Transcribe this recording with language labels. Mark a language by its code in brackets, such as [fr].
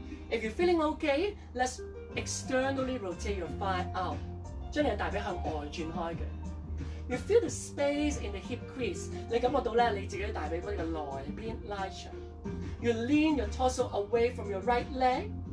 [en] If you're feeling okay, let's externally rotate your thigh out. [yue] 將你嘅大髀向外轉開嘅。 [en] You feel the space in the hip crease. [yue] 你感覺到咧你自己大髀骨嘅內邊拉長。 [en] You lean your torso away from your right leg.